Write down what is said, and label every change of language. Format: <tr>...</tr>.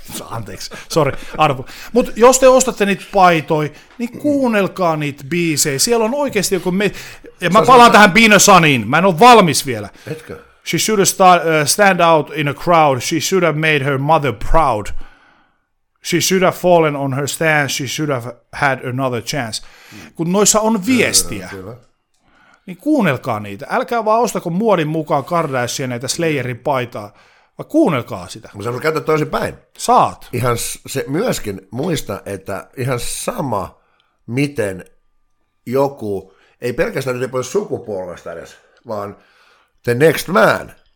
<fi>Anteeksi, sori, arvo. Mutta jos te ostatte niitä paitoja, niin kuunnelkaa niitä biisejä. Siellä on oikeasti joku... Ja mä palaan tähän Bino Saniin, mä en ole valmis vielä. Etkö?</fi> <en>She should have stand out in a crowd. She should have made her mother proud. She should have fallen on her stance. She should have had another chance.</en> <fi>Kun noissa on viestiä, niin kuunnelkaa niitä. Älkää vaan ostako muodin mukaan Kardashian näitä Slayerin paitaa, vaan kuunnelkaa sitä. Mä saan käyttää toisin päin. Saat. Ihan se, myöskin muista, että ihan sama, miten joku, ei pelkästään nyt pois sukupuolesta edes, vaan...</fi> <en>The next man.</en>